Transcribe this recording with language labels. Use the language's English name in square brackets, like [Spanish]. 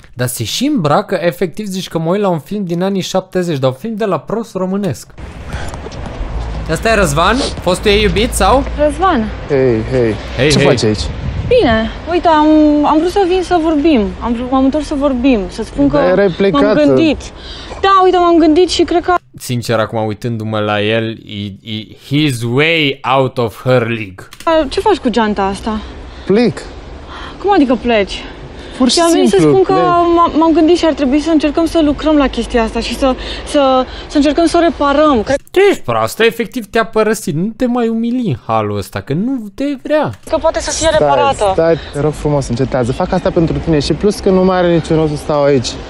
[Romanian] Dar se și îmbracă, efectiv zici că mă uit la un film din anii 70, dar un film de la prost românesc. Asta e Răzvan? Fostul ei iubit sau? Răzvan! Hei! Ce faci aici? Bine, uite, am vrut să vin să vorbim. M-am întors să vorbim, să spun că m-am gândit. Da, uite, m-am gândit și cred că... Sincer, acum uitându-mă la el, [English] he's way out of her league. [Romanian] Ce faci cu geanta asta? Plec. Cum adică pleci? Pur și simplu, am venit să spun că m-am gândit și ar trebui să încercăm să lucrăm la chestia asta și să încercăm să o reparăm. Tu ești proastă, efectiv te-a părăsit. Nu te mai umili în halul ăsta, că nu te vrea. Că poate să fie reparată. Stai, te rog frumos, încetează. Fac asta pentru tine și plus că nu mai are niciun rost să stau aici.